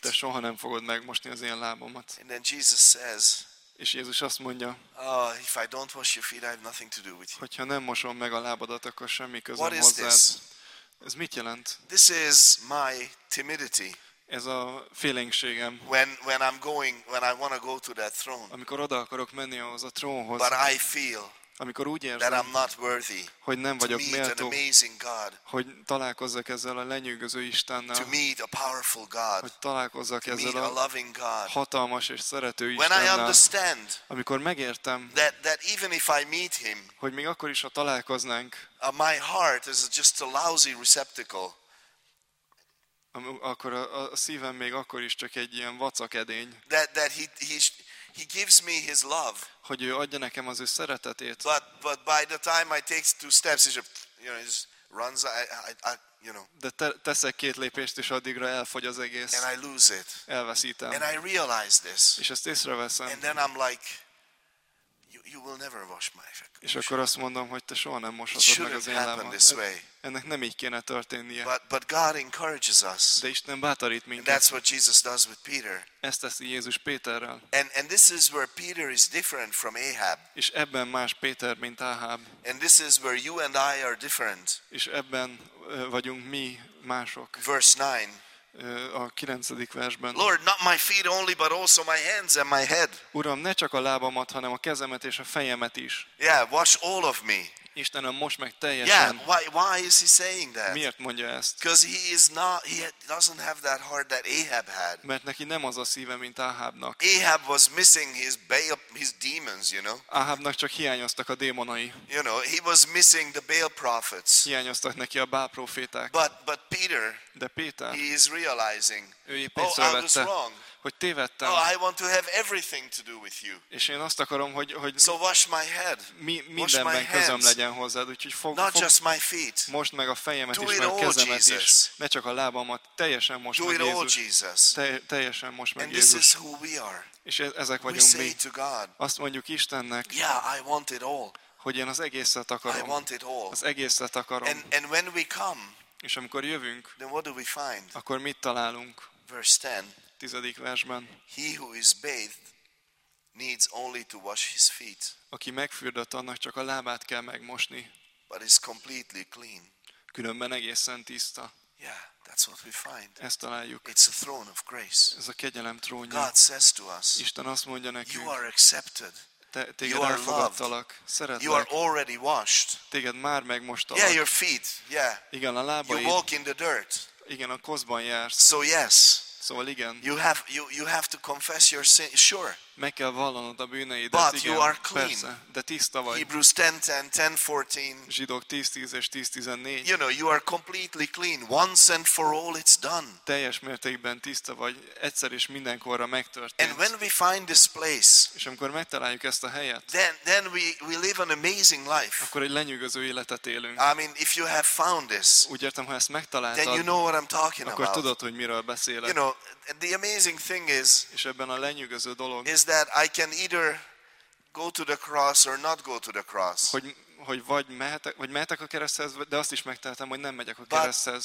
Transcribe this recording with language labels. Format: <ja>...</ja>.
<hu>Te soha nem fogod megmosni az én lábamat.</hu> <en>And then Jesus says,</en> <hu>és Jézus azt mondja,</hu> <en>if I don't wash your feet, I have nothing to do with you.</en> <hu>Hogyha nem mosom meg a lábadat, akkor semmi közöm hozzád. Ez mit jelent?</hu> <en>This is my timidity.</en> <hu>Ez a félénkségem.</hu> <en>When I'm going, when I want to go to that throne.</en> <hu>Amikor oda akarok menni ahhoz a trónhoz.</hu> <en>But I feel,</en> <hu>amikor úgy érzem,</hu> <en>that I'm not worthy,</en> <hu>hogy nem vagyok méltó,</hu> <en>to meet an amazing God,</en> <hu>hogy találkozzak ezzel a lenyűgöző Istennel,</hu> <en>to meet a powerful God,</en> <hu>hogy találkozzak</hu> <en>to</en> <hu>ezzel</hu> <en>meet a loving God,</en> <hu>hatalmas és szerető</hu> <en>when</en> <hu>Istennel.</hu> <en>I understand,</en> <hu>amikor megértem,</hu> <en>that even if I meet him,</en> <hu>hogy még akkor is, ha találkoznánk,</hu> <en>my heart is just a lousy receptacle,</en> <hu>akkor a szívem még akkor is csak egy ilyen vacak edény.</hu> <en>He gives me his love.</en> <hu>Hogy ő adja nekem az ő szeretetét.</hu> <en>But by the time I take two steps, he just, you know, just runs.</en> <hu>De teszek két lépést és addigra elfogy az egész.</hu> <en>And I lose it.</en> <hu>Elveszítem.</hu> <en>And I realize this.</en> <hu>És ezt észreveszem.</hu> <en>And then I'm like, you will never wash my feet.</en> <hu>És akkor azt mondom, hogy te soha nem moshatod meg az én lábamat. Ennek nem így kéne történnie.</hu> <en>But God encourages us.</en> <hu>De Isten bátorít minket.</hu> <en>And that's what Jesus does with Peter.</en> <hu>Ezt teszi Jézus Péterrel.</hu> <en>And this is where Peter is different from Ahab.</en> <hu>És ebben más Péter, mint Ahab.</hu> <en>And this is where you and I are different.</en> <hu>És ebben vagyunk mi mások.</hu> <en>Verse 9.</en> <hu>A 9. versben.</hu> <en>Lord, not my feet only, but also my hands and my head.</en> <hu>Uram, ne csak a lábamat, hanem a kezemet és a fejemet is.</hu> <en>Yeah, wash all of me.</en> <hu>Istenem, mosd meg teljesen.</hu> <en>Yeah, why is he saying that?</en> <hu>Miért mondja ezt?</hu> <en>Because he doesn't have that heart that Ahab had.</en> <hu>Mert neki nem az a szíve, mint Ahabnak.</hu> <en>Ahab was missing his demons, you know.</en> <hu>Ahabnak csak hiányoztak a démonai.</hu> <en>You know, he was missing the Baal prophets.</en> <hu>Hiányoztak neki a Baal proféták.</hu> <en>But Peter.</en> <hu>De Péter.</hu> <en>He is realizing.</en> <hu>Ő épp észrevette, hogy tévedtem.</hu> <en>Oh, I want to have everything to do with you.</en> <hu>És én azt akarom, hogy</hu> <en>so wash my head.</en> <hu>Mindenben közöm legyen hozzád, úgyhogy fog most meg a fejemet is, meg a kezemet is. Ne csak a lábamat, teljesen most meg Jézus. Teljesen most meg Jézus.</hu> <en>And this is who we are.</en> <hu>És ezek vagyunk mi. Azt mondjuk Istennek.</hu> <en>Yeah, I want it all.</en> <hu>Hogy én az egészet akarom.</hu> <en>I want it all.</en> <hu>Az egészet akarom.</hu> <en>And when we come.</en> <hu>És amikor jövünk.</hu> <en>Then what do we find?</en> <hu>Akkor mit találunk?</hu> <en>Verse 10.</en> <hu>10. versben.</hu> <en>He who is bathed needs only to wash his feet.</en> <hu>Aki megfürdött, annak csak a lábát kell megmosni.</hu> <en>But is completely clean.</en> <hu>Különben egészen tiszta.</hu> <en>Yeah, that's what we find.</en> <hu>Ezt találjuk.</hu> <en>It's a throne of grace.</en> <hu>Ez a kegyelem trónja.</hu> <en>God says to us.</en> <hu>Isten azt mondja nekünk.</hu> <en>You are accepted.</en> <hu>Téged elfogadtalak, szeretlek.</hu> <en>You are already washed.</en> <hu>Téged már megmostalak.</hu> <en>Yeah, your feet. Yeah.</en> <hu>Igen, a lábaid.</hu> <en>You walk in the dirt.</en> <hu>Igen, a koszban jársz.</hu> <en>So yes.</en> <hu>Szóval igen.</hu> <en>You have to confess your sin. Sure.</en> <hu>Meg kell vallanod a bűneidet.</hu> <en>But</en> <hu>igen,</hu> <en>you are clean.</en> <hu>Persze, de tiszta vagy.</hu> <en>Hebrews 10:10-14.</en> <hu>Zsidók 10:10 és 10:14.</hu> <en>You know, you are completely clean. Once and for all it's done.</en> <hu>Teljes mértékben tiszta vagy, egyszer és mindenkorra megtörtént.</hu> <en>And when we find this place.</en> <hu>És amikor megtaláljuk ezt a helyet.</hu> <en>Then we live an amazing life.</en> <hu>Akkor egy lenyűgöző életet élünk.</hu> <en>I mean, if you have found this.</en> <hu>Úgy értem, ha ezt megtaláltad.</hu> <en>Then you know what I'm talking</en> <hu>akkor Akkor tudod, hogy miről beszélek.</hu> <en>You know, the amazing thing is.</en> <hu>És ebben a lenyűgöző dolog.</hu> <en>Is that I can either go to the cross or not go to the cross.</en> <hu>Hogy vagy mehetek a kereszthez, de azt is megtehetem, hogy nem megyek a kereszthez.</hu>